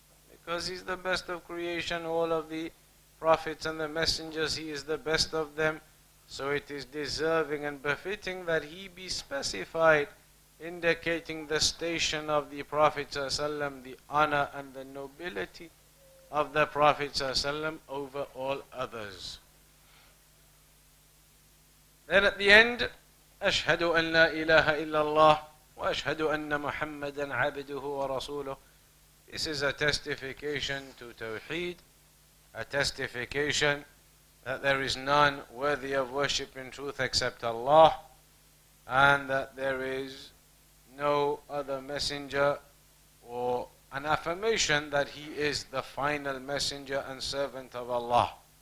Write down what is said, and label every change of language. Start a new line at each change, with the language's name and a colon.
English: Because he's the best of creation, all of the prophets and the messengers, he is the best of them. So it is deserving and befitting that he be specified, indicating the station of the Prophet ﷺ, the honor and the nobility of the Prophet ﷺ over all others. Then at the end,
Arabic: أشهد أن لا إله إلا الله وأشهد أن محمدا عبده ورسوله.
English: This is a testification to Tawheed, a testification that there is none worthy of worship in truth except Allah, and that there is no other messenger, or an affirmation that he is the final messenger and servant of Allah.